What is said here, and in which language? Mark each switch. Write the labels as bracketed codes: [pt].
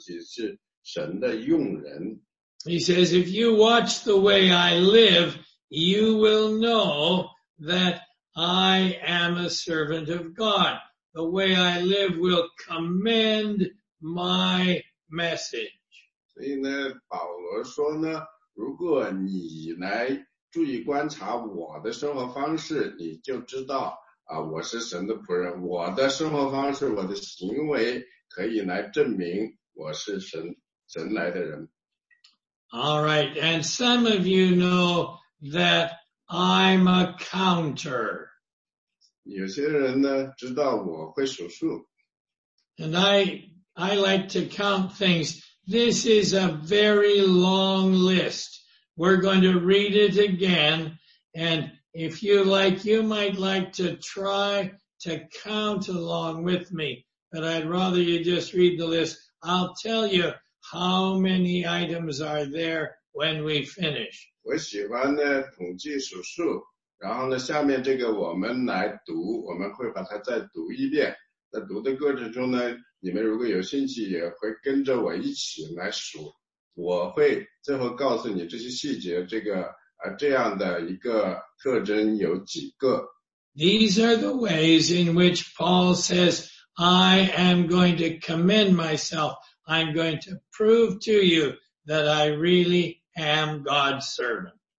[zh] 所以保罗呢，在《格林多后书》第六章第四节是这样说：反倒在各样的事情表明自己是神的用人。 [en] He says, if you watch the way I live, you will know that I am a servant of God. The way I live will commend my message. [zh] 所以呢，保罗说呢，如果你来注意观察我的生活方式，你就知道啊，我是神的仆人，我的生活方式，我的行为可以来证明我是神来的人。 [en] All right, and some of you know that I'm a counter. [zh] 有些人呢，知道我会数数。 [en] And I like to count things. This is a very long list. We're going to read it again. And if you like, you might like to try to count along with me. But I'd rather you just read the list. I'll tell you how many items are there when we finish. [zh] 我喜欢呢统计数数，然后呢，下面这个我们来读，我们会把它再读一遍。在读的过程中呢，你们如果有兴趣，也会跟着我一起来数。我会最后告诉你这些细节，这个这样的一个特征有几个。These [en] are the ways in which Paul says, I am going to commend myself. I'm going to prove to you that I really am God's servant.